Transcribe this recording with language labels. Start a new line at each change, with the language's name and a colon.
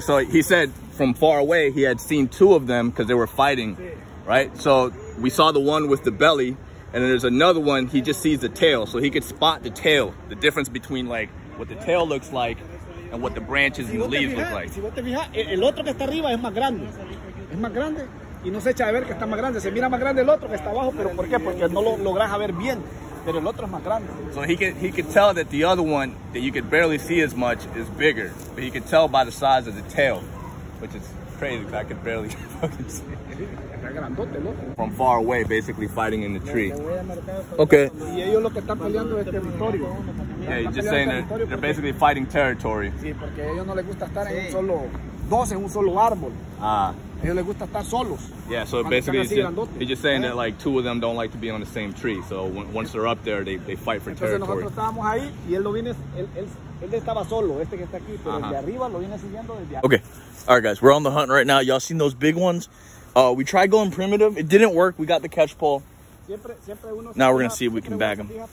English: So he said from far away he had seen two of them because they were fighting, right? So we saw the one with the belly, and then there's another one, he just sees the tail. So he could spot the tail, the difference between like what the tail looks like and what the branches and the leaves look like.
Spanish: Si vos te fijas, el otro que está arriba es más grande. Es más grande y no se echa de ver que está más grande. Se mira más grande el otro que está abajo, pero ¿por qué? Porque no lo logras ver bien. Pero el otro es más grande.
English: So he could tell that the other one that you could barely see as much is bigger, but he could tell by the size of the tail, which is crazy because I could barely fucking see. From far away, basically fighting in the tree. Okay. Yeah, you're just saying that they're basically fighting territory.
Spanish: Sí, porque ellos no les gusta estar en un solo dos en un solo árbol. Ah. Ellos les gusta estar solos.
English: Yeah, so basically he's just saying that like two of them don't like to be on the same tree. So once they're up there, they fight for territory.
Spanish: Entonces nosotros estábamos ahí y él lo viene, él estaba solo, este que está aquí, pero el de arriba lo viene siguiendo desde arriba.
English: Okay, all right, guys, we're on the hunt right now. Y'all seen those big ones? We tried going primitive. It didn't work. We got the catch pole. Now we're going to see if we can bag them.